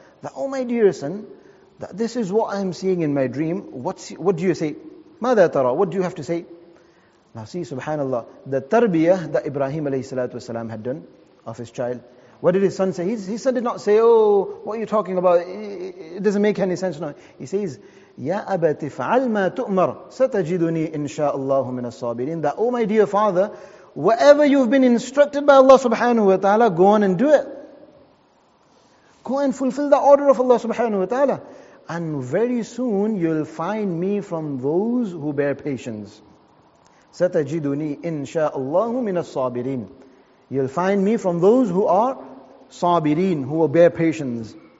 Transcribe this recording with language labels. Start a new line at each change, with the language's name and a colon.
English: That, oh my dear son, that this is what I'm seeing in my dream. What do you say?
Arabic: ماذا ترى?
English: What do you have to say? Now see, subhanAllah, the tarbiyah that Ibrahim alayhi salatu wasalam had done of his child. What did his son say? His son did not say, oh, what are you talking about? It doesn't make any sense. No. He says,
Arabic: يَا أَبَتِ فَعَلْ مَا تُؤْمَرْ سَتَجِدُنِي إِن شَاءَ اللَّهُ مِنَ الصَّابِرِينَ.
English: That, oh my dear father, whatever you've been instructed by Allah subhanahu wa ta'ala, go on and do it. Go and fulfill the order of Allah subhanahu wa ta'ala. And very soon you'll find me from those who bear patience.
Arabic: Satajiduni insha'allahu minas sabirin.
English: You'll find me from those who are sabirin, who will bear patience.